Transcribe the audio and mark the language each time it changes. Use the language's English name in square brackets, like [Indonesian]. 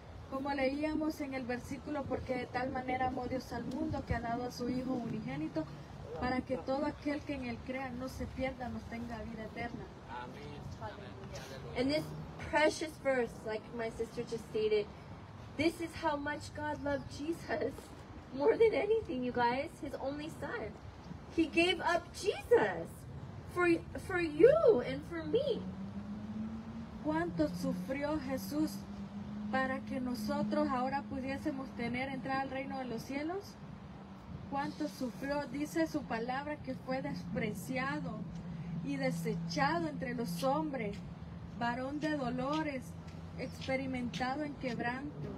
[Spanish] Como leíamos en el versículo, porque de tal manera amó Dios al mundo que ha dado a su Hijo unigénito para que todo aquel que en él crea no se pierda, no tenga vida eterna. [English] In this precious verse, like my sister just stated, this is how much God loved Jesus more than anything, you guys, his only son. He gave up Jesus for you and for me. [Spanish] ¿Cuánto sufrió Jesús para que nosotros ahora pudiésemos tener entrada al reino de los cielos? ¿Cuánto sufrió? Dice su palabra que fue despreciado y desechado entre los hombres, varón de dolores, experimentado en quebranto.